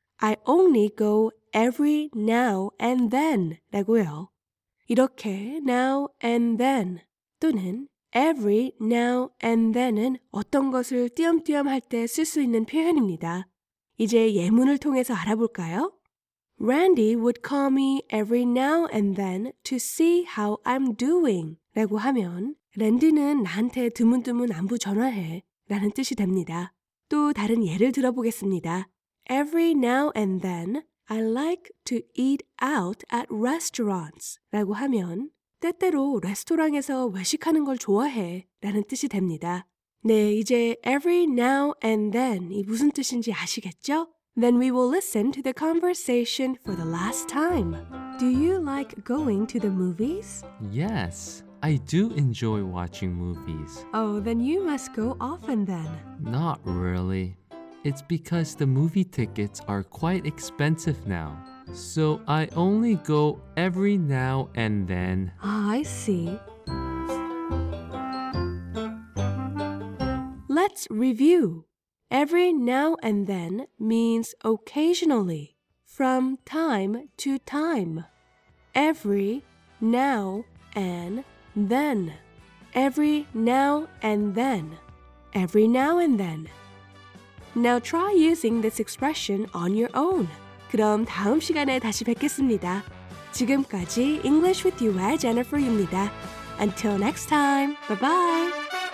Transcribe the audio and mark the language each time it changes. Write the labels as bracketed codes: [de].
[en] I only go every now and then [ko] 라고요. 이렇게 now and then 또는 every now and then은 어떤 것을 띄엄띄엄 할 때 쓸 수 있는 표현입니다. 이제 예문을 통해서 알아볼까요? [en] Randy would call me every now and then to see how I'm doing [ko] 라고 하면 랜디는 나한테 드문드문 안부 전화해 라는 뜻이 됩니다. 또 다른 예를 들어보겠습니다. [en] Every now and then, I like to eat out at restaurants [ko] 라고 하면 때때로 레스토랑에서 외식하는 걸 좋아해 라는 뜻이 됩니다. 네, 이제 every now and then이 무슨 뜻인지 아시겠죠? [en] Then we will listen to the conversation for the last time. Do you like going to the movies? Yes, I do enjoy watching movies. Oh, then you must go often then. Not really. It's because the movie tickets are quite expensive now. So I only go every now and then. Oh, I see. Let's review. Every now and then means occasionally, from time to time. Every, now, and then. Every now and then. Every now and then. Now try using this expression on your own. [ko] 그럼 다음 시간에 다시 뵙겠습니다. 지금까지 English with UI Jennifer입니다. [en] Until next time, bye-bye.